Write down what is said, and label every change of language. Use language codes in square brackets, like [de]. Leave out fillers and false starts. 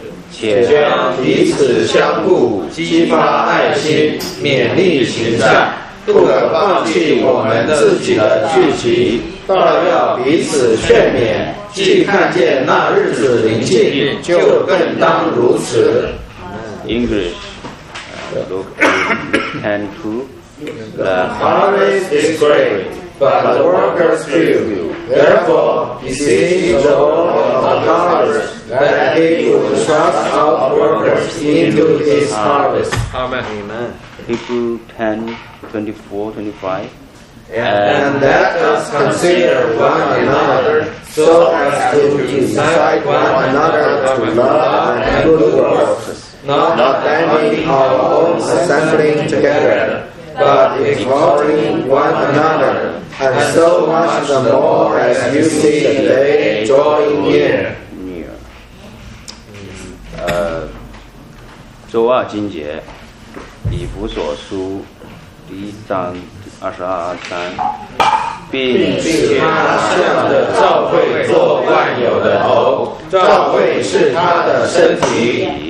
[zh] 且将彼此相顾，激发爱心，勉励行善，不可放弃我们自己的聚集，倒要彼此劝勉，既看见那日子临近，就更当如此。 [en] English. Look at 10:2. The harvest is great, but the workers few. Therefore, beseech the Lord of the harvest that he will trust out workers into his harvest. Amen. Amen. Hebrews 10:24-25. And let us consider one another so as to incite one another to love and good works, not banding our own assembling together, but exhorting one another, and so much the more as you see the day drawing near. Near. [zh] 周二经节，以弗所书第一章22-23，并且他向着教会做万有的头，教会是他的身体。